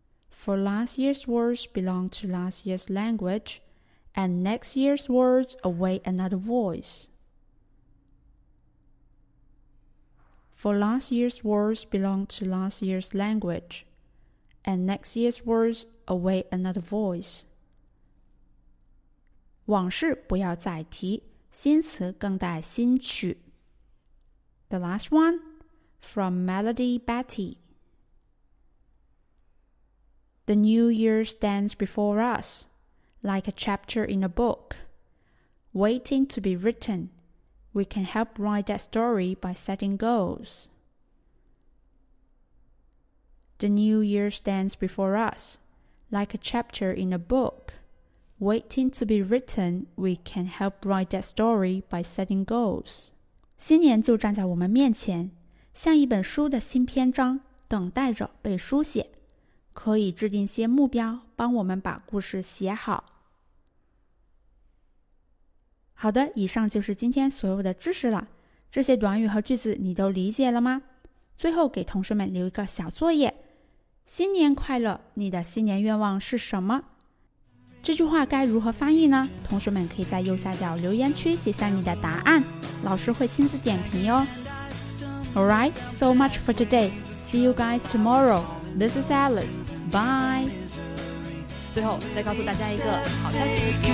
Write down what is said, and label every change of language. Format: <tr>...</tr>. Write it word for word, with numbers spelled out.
<en>For last year's words belong to last year's language, and next year's words await another voice. For last year's words belong to last year's language, and next year's words await another voice.</en> <zh>往事不要再提，新词更待新曲。</zh> <en>The last one, from Melody Betty. The new year stands before us, like a chapter in a book, waiting to be written. We can help write that story by setting goals. The new year stands before us, like a chapter in a book. Waiting to be written, we can help write that story by setting goals.</en> <zh>新年就站在我们面前，像一本书的新篇章，等待着被书写。可以制定些目标，帮我们把故事写好。好的，以上就是今天所有的知识了。这些短语和句子你都理解了吗？最后给同学们留一个小作业：新年快乐，你的新年愿望是什么？这句话该如何翻译呢？同学们可以在右下角留言区写下你的答案，老师会亲自点评哟。</zh> <en>Alright, so much for today. See you guys tomorrow. This is Alice. Bye.</en> <zh>最后再告诉大家一个好消息。</zh>